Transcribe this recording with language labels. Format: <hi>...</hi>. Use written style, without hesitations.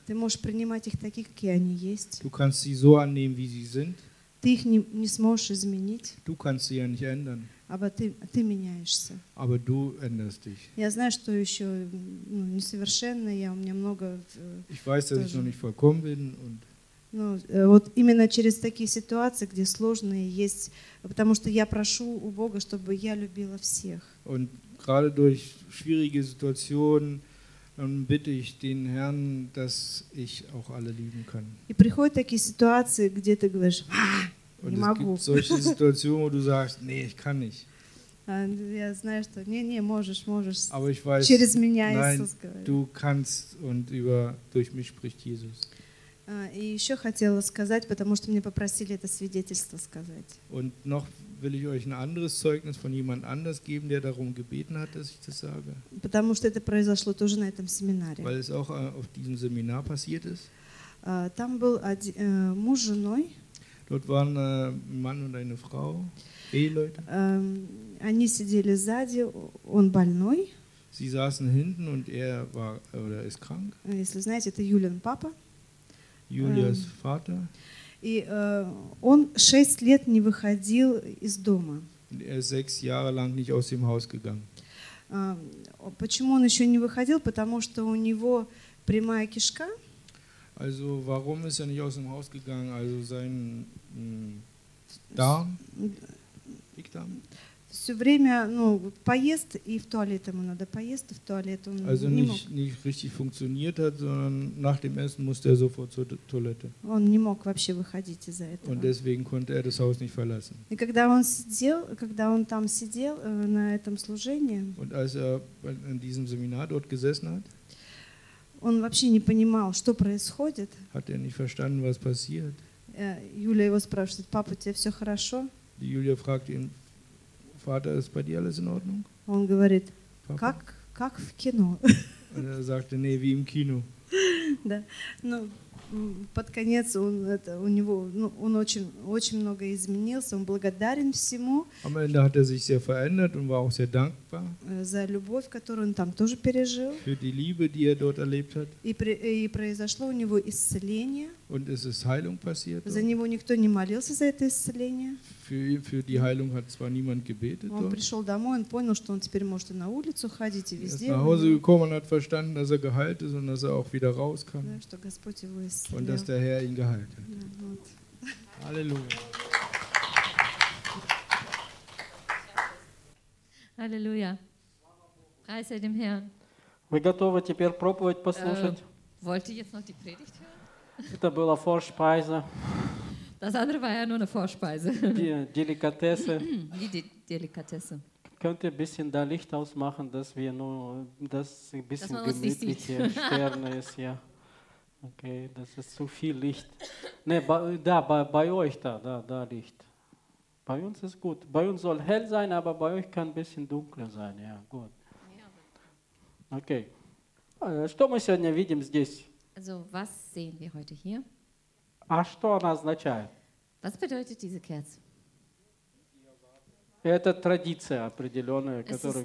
<ru>Ты можешь принимать их такие, какие они есть.</ru> <de>Du kannst sie so annehmen, wie sie sind.</de> <ru>Ты их не сможешь изменить.</ru> <de>Du kannst sie ja nicht ändern.</de> <ru>Aber ты меняешься.</ru> <de>Aber du änderst dich.</de> <ru>Я знаю, что еще несовершенно, у меня много.</ru> <de>Ich weiß, dass ich noch nicht vollkommen bin und.</de> <ru>Ну, вот именно через такие ситуации, где сложные есть, потому что я прошу у Бога, чтобы я любила всех.</ru> <de>Und gerade durch schwierige Situationen dann bitte ich den Herrn, dass ich auch alle lieben kann.</de> <ru>И приходят такие ситуации, где ты говоришь: "Ah,</ru> <de>und es</de> <ru>могу".</ru> <de>Gibt solche Situationen, wo du sagst: "Nee, ich kann nicht."</de> <ru>Я знаю, что не можешь.</ru> <de>Aber ich weiß,</de> <ru>через меня</ru> <de>nein,</de> <ru>Иисус говорит.</ru> <de>Du kannst und über durch mich spricht Jesus.</de> <ru>И еще хотела сказать, потому что мне попросили это свидетельство сказать.</ru> <de>Und noch will ich euch ein anderes Zeugnis von jemand anders geben, der darum gebeten hat, dass ich das sage.</de> <ru>Потому что это произошло тоже на этом семинаре.</ru> <de>Weil es auch auf diesem Seminar passiert ist.</de> <ru>Там был муж с женой.</ru> <de>Dort waren Mann und eine Frau, Eheleute.</de> <ru>Они сидели сзади, он больной.</ru> <de>Sie saßen hinten und er war oder ist krank.</de> <ru>Если знаете, это Юлин папа.</ru> <de>Julias Vater.</de> <ru>И он 6 лет не выходил из дома.</ru> <de>Und er ist 6 Jahre lang nicht aus dem Haus gegangen.</de> <ru>Почему он еще не выходил? Потому что у него прямая кишка.</ru> <de>Also warum ist er nicht aus dem Haus gegangen? Also sein Darm? Dickdarm?</de> <ru>Все время, ну, поест и в туалет ему надо, поест и в туалет он</ru> <de>also</de> <ru>не</ru> <de>nicht,</de> <ru>мог.</ru> <de>Nicht richtig funktioniert hat, sondern nach dem Essen musste er sofort zur Toilette.</de> <ru>Он не мог вообще выходить из-за этого.</ru> <de>Und deswegen konnte er das Haus nicht verlassen.</de> <ru>И когда он сидел, когда он там сидел на этом служении,</ru> <de>und als er in diesem Seminar dort gesessen hat,</de> <ru>он вообще не понимал, что происходит.</ru> <de>Hat er nicht verstanden, was passiert.</de> <ru>Юля его спрашивает: "Папа, тебе все хорошо?"</ru> <de>Die Julia fragt ihn: "Vater, ist bei dir alles in Ordnung?"</de> <ru>Он говорит: "Papa?" Как в кино.</ru> <de>Und er sagte: "Nee, wie im Kino."</de> <ru>Да. Ну, под конец он очень много изменился, он благодарен всему.</ru> <de>Am Ende hat er sich sehr verändert und war auch sehr dankbar.</de> <ru>За любовь, которую он там тоже пережил.</ru> <de>Für die Liebe, die er dort erlebt hat.</de> <ru>И произошло у него исцеление.</ru> <de>Und es ist Heilung passiert.</de> <ru>За него никто не молился за это исцеление.</ru> <de>Für die Heilung hat zwar niemand gebetet.</de> <ru>Он пришел домой, он понял, что он теперь может на улицу ходить и везде.</ru> <de>Er ist nach Hause gekommen und hat verstanden, dass er geheilt ist und dass er auch wieder raus kann.</de> <ru>Да, что Господь его исцелил.</ru> <de>Und dass der Herr ihn geheilt hat. Halleluja. Halleluja. Preis sei dem Herrn.</de> <ru>Мы готовы теперь проповедь послушать.</ru> <de>Wollt ihr jetzt noch die Predigt hören?</de> <ru>Это была Vorspeise.</ru> <de>Das andere war ja nur eine Vorspeise. Die Delikatesse. Die Delikatesse. Könnt ihr ein bisschen da Licht ausmachen, dass wir nur das ein bisschen gemütlich hier Sterne ist, ja. Okay, das ist zu viel Licht. Ne, bei euch da Licht. Bei uns ist gut. Bei uns soll hell sein, aber bei euch kann ein bisschen dunkler sein, ja, gut. Okay.</de> <ru>Что мы сегодня видим здесь?</ru> <de>Also, was sehen wir heute hier?</de> <ru>А что она означает?</ru> <de>Was bedeutet diese Kerze?</de> <ru>Это традиция определенная, которую</ru>